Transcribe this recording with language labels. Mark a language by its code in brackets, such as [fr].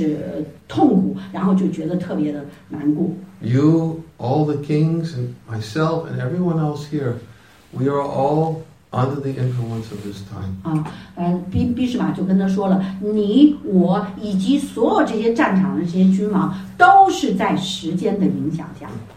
[zh] 所以呢，就是说，你不应该因为时间最后的影响，让我们受到所有这些个就是痛苦，然后就觉得特别的难过。 [en] You, all the kings, and myself, and everyone else here, we are all under the influence of this time. [zh] 毕士玛就跟他说了，你我以及所有这些战场的这些君王，都是在时间的影响下。